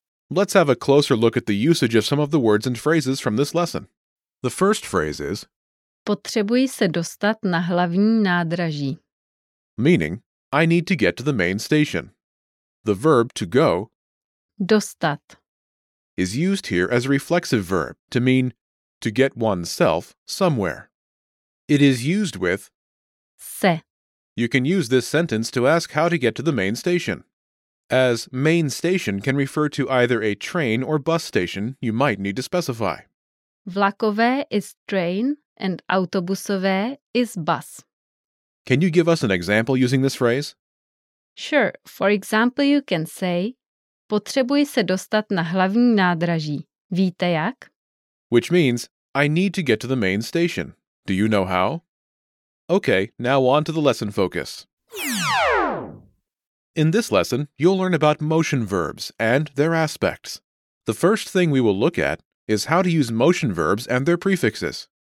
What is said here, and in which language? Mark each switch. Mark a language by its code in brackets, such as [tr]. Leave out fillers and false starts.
[en] Let's have a closer look at the usage of some of the words and phrases from this lesson. The first phrase is [cs] potřebuji se dostat na hlavní nádraží. [en] Meaning, I need to get to the main station. The verb to go [cs] dostat [en] is used here as a reflexive verb to mean to get oneself somewhere. It is used with [cs] se. [en] You can use this sentence to ask how to get to the main station. As main station can refer to either a train or bus station, you might need to specify. Vlakové is train and autobusové is bus. Can you give us an example using this phrase? Sure. For example, you can say [cs] potřebuji se dostat na hlavní nádraží. Víte jak? [en] Which means, I need to get to the main station. Do you know how? Okay, now on to the lesson focus. In this lesson, you'll learn about motion verbs and their aspects. The first thing we will look at is how to use motion verbs and their prefixes.